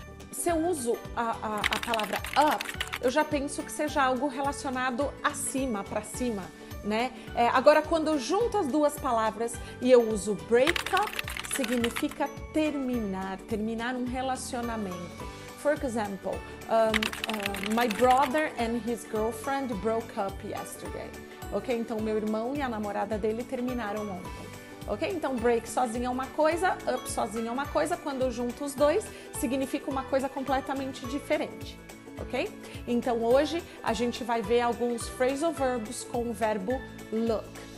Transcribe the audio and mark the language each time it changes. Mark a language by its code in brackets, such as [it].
[pt] Se eu uso a palavra up, eu já penso que seja algo relacionado acima, pra cima, né? Agora, quando eu junto as duas palavras e eu uso break up, significa terminar, terminar um relacionamento. [en] For example, my brother and his girlfriend broke up yesterday. [pt] Ok? Então, meu irmão e a namorada dele terminaram ontem. Ok? Então, break sozinho é uma coisa, up sozinho é uma coisa, quando eu junto os dois, significa uma coisa completamente diferente. Ok? Então, hoje, a gente vai ver alguns phrasal verbs com o verbo look.